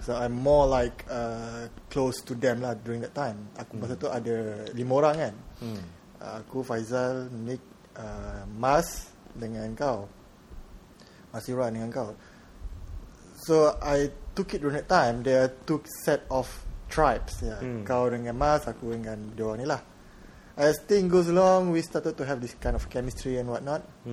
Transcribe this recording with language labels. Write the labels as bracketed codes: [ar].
[en] So I'm more like close to them lah during that time. [ms] Aku masa tu ada 5 orang kan. Aku, Faizal, Nick, Mas dengan kau, Mas Iran dengan kau. [en] So I took it during that time. There are two set of tribes. Yeah. [ms] Kau dengan Mas, aku dengan dia ni lah. [en] As thing goes along, we started to have this kind of chemistry and whatnot.